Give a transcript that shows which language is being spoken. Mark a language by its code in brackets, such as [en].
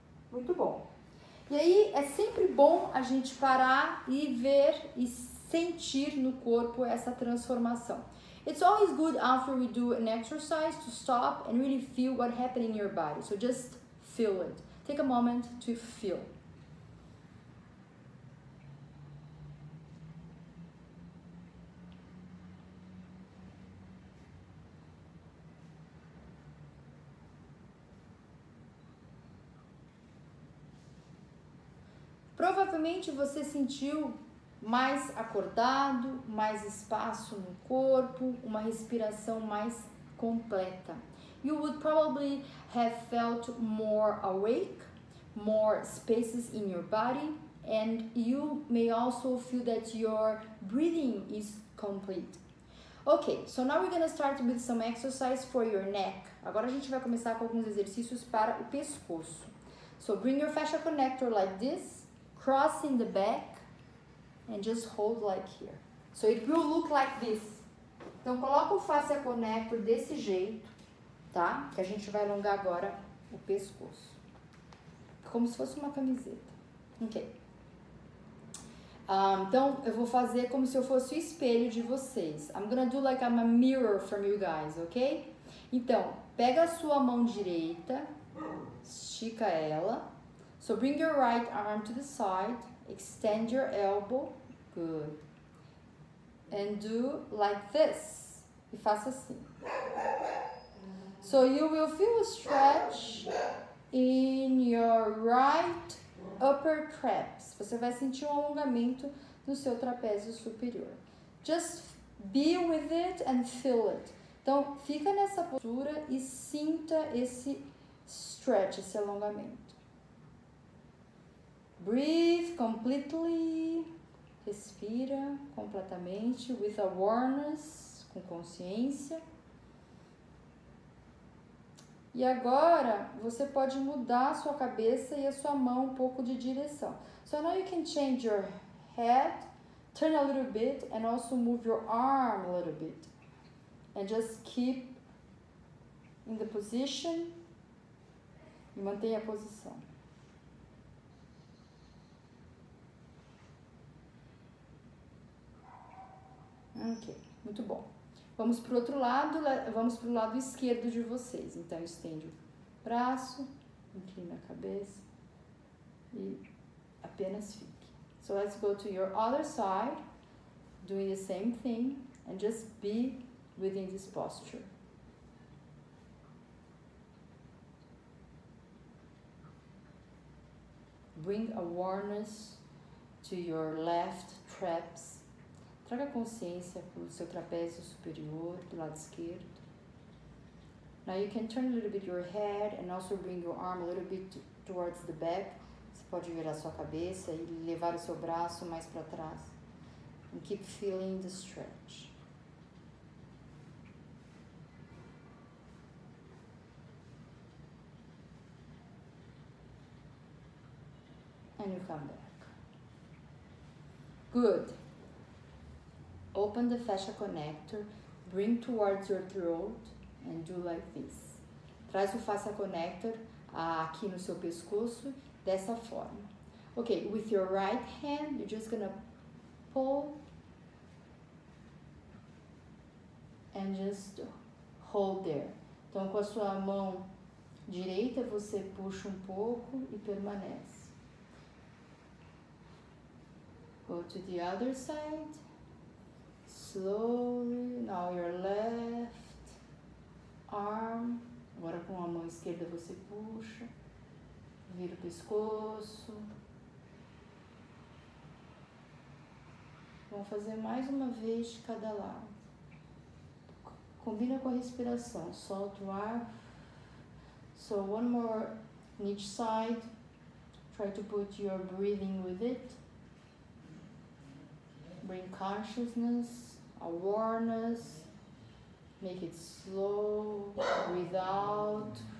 [pt] Muito bom. E aí, é sempre bom a gente parar e ver e sentir no corpo essa transformação. [en] It's always good after we do an exercise to stop and really feel what happened in your body. So just feel it. Take a moment to feel. [pt] Provavelmente você sentiu mais acordado, mais espaço no corpo, uma respiração mais completa. [en] You would probably have felt more awake, more spaces in your body, and you may also feel that your breathing is complete. Okay, so now we're going to start with some exercise for your neck. [pt] Agora a gente vai começar com alguns exercícios para o pescoço. [en] So bring your fascia connector like this. Cross in the back and just hold like here. So it will look like this. [pt] Então, coloca o fascia connector desse jeito, tá? Que a gente vai alongar agora o pescoço. Como se fosse uma camiseta. Ok. Então, eu vou fazer como se eu fosse o espelho de vocês. [en] I'm gonna do like I'm a mirror from you guys, ok? [pt] Então, pega a sua mão direita, estica ela. [en] So bring your right arm to the side, extend your elbow, good, and do like this, [pt] e faça assim. [en] So you will feel a stretch in your right upper traps, [pt] você vai sentir um alongamento no seu trapézio superior. [en] Just be with it and feel it. [pt] Então fica nessa postura e sinta esse Stretch esse alongamento. [en] Breathe completely. [pt] Respira completamente. [en] With awareness. [pt] Com consciência. E agora, você pode mudar a sua cabeça e a sua mão um pouco de direção. [en] So now you can change your head, turn a little bit, and also move your arm a little bit. And just keep in the position. [pt] E mantenha a posição. Ok, muito bom. Vamos para o outro lado, vamos para o lado esquerdo de vocês. Então, estende o braço, inclina a cabeça e apenas fique. [en] So, let's go to your other side, doing the same thing, and just be within this posture. Bring awareness to your left traps. [pt] Traga consciência para o seu trapézio superior, do lado esquerdo. [en] Now you can turn a little bit your head and also bring your arm a little bit towards the back. [pt] Você pode virar sua cabeça e levar o seu braço mais para trás. [en] And keep feeling the stretch. And you come back. Good. Open the fascia connector, bring towards your throat, and do like this. [pt] Traz o fascia connector aqui no seu pescoço, dessa forma. [en] Okay, with your right hand, you're just gonna pull, and just hold there. [pt] Então, com a sua mão direita, você puxa um pouco e permanece. [en] Go to the other side. Slowly, now your left arm, [pt] agora com a mão esquerda você puxa, vira o pescoço. Vamos fazer mais uma vez de cada lado. Combina com a respiração, solta o ar. [en] So one more on each side, try to put your breathing with it. Bring consciousness. Awareness, make it slow, breathe out.